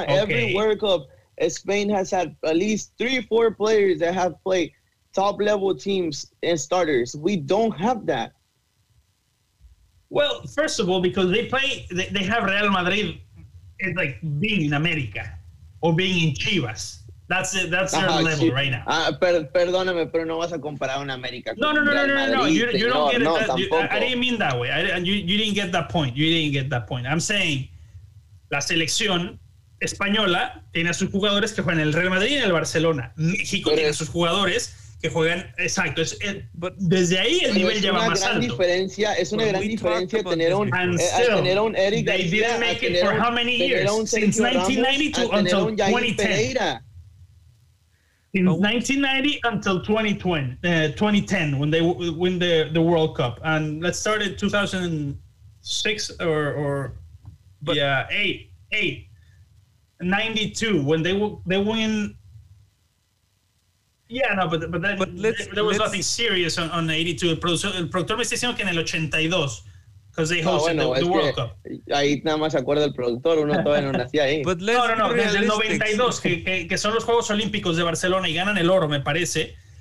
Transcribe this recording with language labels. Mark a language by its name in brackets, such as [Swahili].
[English] Every World Cup, Spain has had at least 3-4 players that have played top-level teams and starters. We don't have that. Well, first of all, because they have Real Madrid. It's like being in America or being in Chivas. That's their level right now. [Spanish] Perdóname, pero no vas a comparar una América. [English] No. You don't get it. I didn't mean that way. You didn't get that point. I'm saying [Spanish] la selección española tiene a sus jugadores que juegan en el Real Madrid y en el Barcelona. México tiene a sus jugadores que juegan. Exacto. Desde ahí el nivel ya va más alto. Es una gran diferencia tener un Eric García. [English] They didn't make it for how many years? Since 1992 until 2010. Since 1990 until 2010, when they win the World Cup, and let's start in 2006 or 92 when they win. Yeah, no, but there was nothing serious on 82. [Spanish] El productor me está diciendo que en el 82, [English] because they hosted the World Cup. [Spanish] Ahí nada más se acuerda el productor, uno todavía no nacía ahí. No, desde el 92, que son los Juegos Olímpicos de Barcelona y ganan el oro, me parece.